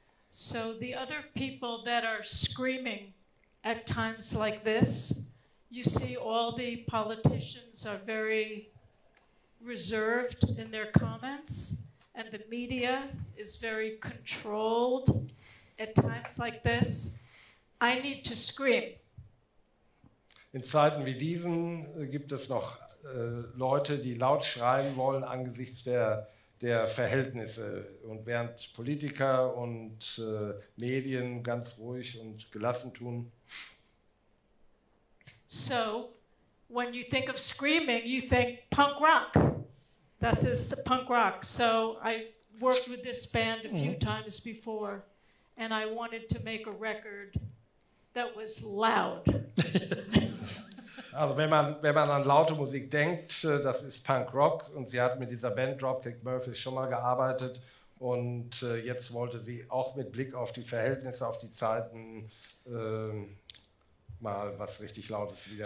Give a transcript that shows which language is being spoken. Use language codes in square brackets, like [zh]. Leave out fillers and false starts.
[en] So the other people that are screaming at times like this, you see all the politicians are very reserved in their comments, and the media is very controlled at times like this. I need to scream. [de] In Zeiten wie diesen gibt es noch Leute, die laut schreien wollen angesichts der Verhältnisse. Und während Politiker und Medien ganz ruhig und gelassen tun. [en] So, when you think of screaming, you think punk rock. [de] Das ist punk rock. [en] So, I worked with this band a few times before and I wanted to make a record that was loud. [de] Also wenn man an laute Musik denkt, das ist Punk Rock und sie hat mit dieser Band Dropkick Murphys schon mal gearbeitet und jetzt wollte sie auch mit Blick auf die Verhältnisse, auf die Zeiten mal was richtig Lautes wieder